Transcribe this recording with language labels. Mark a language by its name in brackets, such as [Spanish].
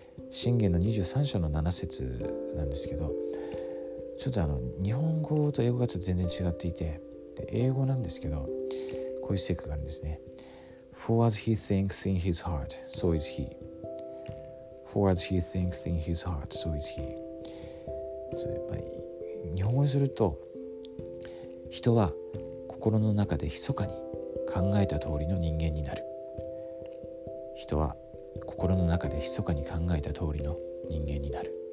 [Japanese] 箴言の23章の7節なんですけど、ちょっと日本語と英語がちょっと全然違っていて、で英語なんですけど、こういう聖句があるんですね。 [English] For as he thinks in his heart, so is he. For as he thinks in his heart, so is he. [Japanese] それ、日本語にすると、人は心の中で密かに考えた通りの人間になる。人は心の中で密かに考えた通りの人間になる。